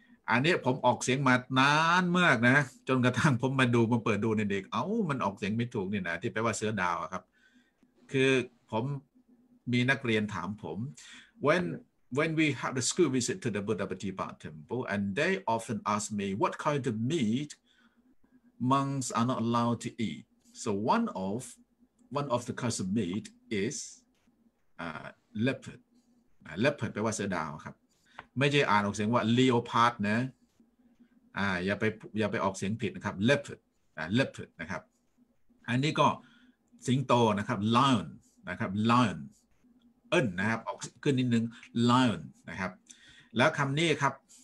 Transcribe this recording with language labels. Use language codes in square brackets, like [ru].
[th] อันนี้ผมออกเสียงมานานมากนะจนกระทั่งผมมาดูมาเปิดดูในเด็กเอ้ามันออกเสียงไม่ถูกนี่นะที่แปลว่าเสือดาวครับคือผมมีนักเรียนถามผม [en] when we had a school visit to the Buddhabatipa temple and they often ask me what kind of meatMonks are not allowed to eat. So one of the kinds of meat is leopard. [th] Leopard แปลว่าเสือดาวครับไม่ใช่อ่านออกเสียงว่า leopard นะอย่าไปออกเสียงผิดนะครับ leopard leopard นะครับอันนี้ก็สิงโตนะครับ lion นะครับ lion เอิ้นนะครับออกขึ้นนิดนึง lion นะครับแล้วคำนี้ครับ